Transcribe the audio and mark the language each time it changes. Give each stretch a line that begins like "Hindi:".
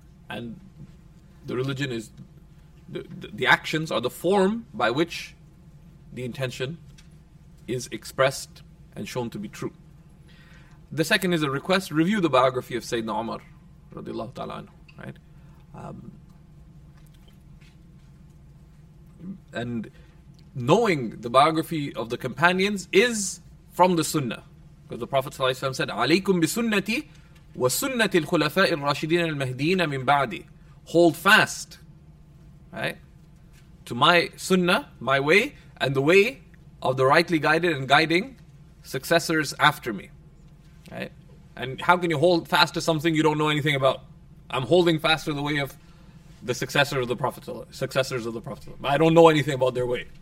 English: And the religion is, the actions are the form by which the intention is expressed and shown to be true. The second is a request, review the biography of Sayyidina Umar, radiallahu ta'ala anhu, right? And knowing the biography of the companions is from the Sunnah. Because the Prophet ﷺ said,
Arabic: عَلَيْكُمْ بِسُنَّتِي وَسُنَّةِ الْخُلَفَاءِ الرَّاشِدِينَ الْمَهْدِينَ مِنْ بَعْدِي.
English: Hold fast, right, to my Sunnah, my way, and the way of the rightly guided and guiding successors after me. Right? And how can you hold fast to something you don't know anything about? I'm holding fast to the way of the successors of the Prophet, but I don't know anything about their way.